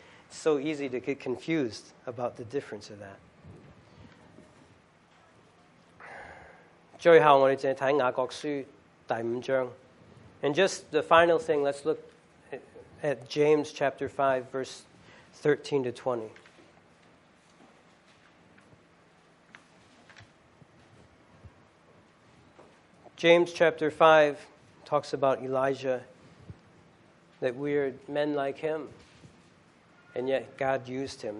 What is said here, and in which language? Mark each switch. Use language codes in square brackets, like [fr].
[en] So easy to get confused about the difference of that. [zh] 最后我们只看雅各书第五章。 [en] And just the final thing, let's look at James chapter 5, verse 13 to 20. James chapter 5 talks about Elijah, that we are men like him, and yet God used him.